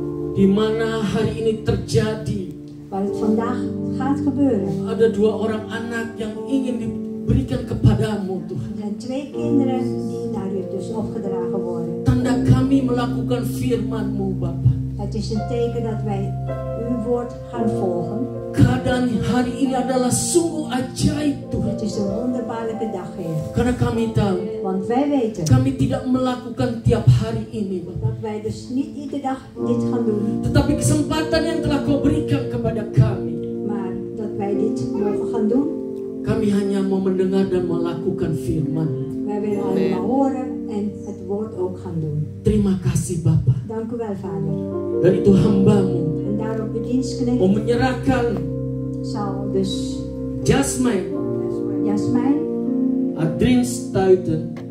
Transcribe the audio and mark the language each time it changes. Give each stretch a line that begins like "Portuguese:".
Indonesian: Di mana hari ini terjadi?
Dutch: Waar het vandaag gaat gebeuren.
Indonesian: Ada dua orang anak yang ingin diberikan kepadamu Tuhan.
Dutch: Dan twee kinderen die naar u dus opgedragen worden.
Indonesian: Tanda kami melakukan firman-Mu Bapa.
Dutch: Het is een teken dat wij uw woord gaan volgen.
Indonesian: Keadaan hari ini adalah sungguh ajaib Tuhan.
Dutch: Het is een wonderbaarlijke dag Heer.
Indonesian: Karena kami tahu.
Dutch: Want wij weten.
Indonesian: Kami tidak melakukan tiap hari ini Bapa.
Dutch: Dat wij dus niet iedere dag dit gaan doen.
Indonesian: Tetapi kesempatan yang telah Kau berikan kepada kami.
Dutch: Maar dat wij dit mogen gaan doen.
Indonesian: Kami hanya mau mendengar dan melakukan firman.
Dutch: Wij willen alleen maar horen en het woord ook gaan doen.
Indonesian: Terima kasih Bapa.
Dutch: Dank u wel Vader.
Indonesian: Dan itu hamba-Mu.
Dutch: En daarom de dienstknecht. Om
Indonesian: menyerahkan.
Dutch: Zal dus. Jasmine. Adrien Stuyten.